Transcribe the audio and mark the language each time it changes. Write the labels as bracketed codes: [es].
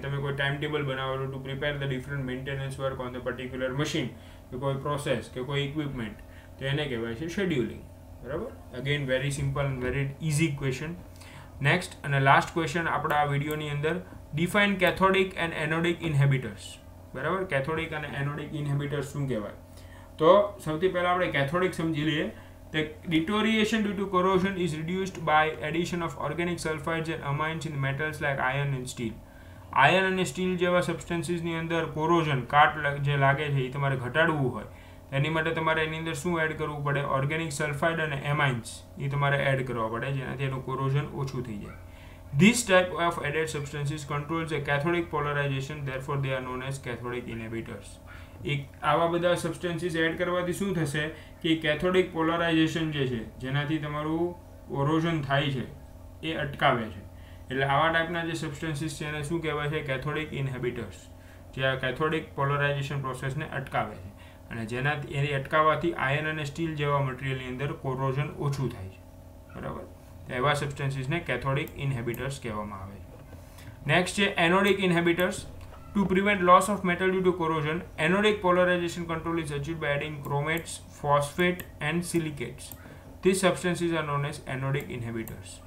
[gu] કે તમે કોઈ ટાઈમ ટેબલ બનાવો છો [en] to prepare the different maintenance work on the particular machine [gu] કે કોઈ પ્રોસેસ કે કોઈ ઇક્વિપમેન્ટ, તો એને કહેવાય છે શેડ્યુલિંગ. બરાબર. [en] Again very simple and very easy question. Next અને last question [gu] આપણા આ વિડીયોની અંદર, [en] Define cathodic and anodic inhibitors. બરાબર. [gu] કેથોડિક અને એનોડિક ઇનહેબિટર્સ શું કહેવાય? તો સૌથી પહેલાં આપણે કેથોડિક સમજી લઈએ. [en] The deterioration due to corrosion is reduced by addition of organic sulfides and amines in metals like iron and steel. [gu] Iron and steel જેવા substances ની અંદર corrosion, કાટ જે લાગે છે એ તમારે ઘટાડવું હોય એની માટે તમારે એની અંદર શું એડ કરવું પડે? ઓર્ગેનિક સલ્ફાઇડ અને એમાઇન્સ એ તમારે એડ કરવા પડે જેનાથી એનું કોરોઝન ઓછું થઈ જાય. [en] This type of added substances control the cathodic polarisation, therefore they are known as cathodic inhibitors. [gu] એક આવા બધા સબસ્ટન્સીસ એડ કરવાથી શું થશે કે કેથોડિક પોલરાઇઝેશન જે છે જેનાથી તમારું કોરોઝન થાય છે એ અટકાવે છે. એટલે આવા ટાઈપના જે સબસ્ટન્સીસ છે એને શું કહેવાય છે? કેથોડિક ઇનહિબિટર્સ, જે આ કેથોડિક પોલરાઇઝેશન પ્રોસેસને અટકાવે છે અને જેનાથી એને અટકાવવાથી આયર્ન અને સ્ટીલ જેવા મટીરિયલની અંદર કોરોઝન ઓછું થાય છે. બરાબર. તો એવા સબસ્ટન્સીસને કેથોડિક ઇનહિબિટર્સ કહેવામાં આવે છે. નેક્સ્ટ છે એનોડિક ઇનહિબિટર્સ. [en] To prevent loss of metal due to corrosion, anodic polarization control is achieved by adding chromates, phosphate and silicates. These substances are known as anodic inhibitors.